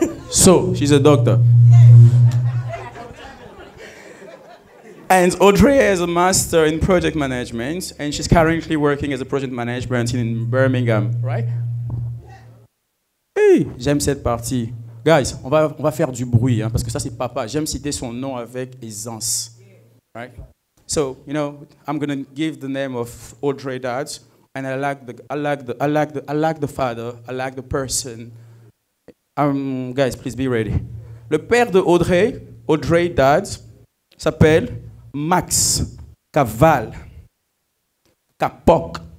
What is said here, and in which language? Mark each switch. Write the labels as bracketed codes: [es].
[en] So she's a doctor. And Audrey is a master in project management, and she's currently working as a project manager in Birmingham, right? [fr] Hey, j'aime cette partie. Guys, on va faire du bruit, hein, parce que ça c'est papa. J'aime citer son nom avec aisance, [en] right? So, you know, I'm gonna give the name of Audrey Dad, and I like the father, I like the person. Guys, please be ready. [fr] Le père de Audrey Dad, s'appelle Max Caval Capoc.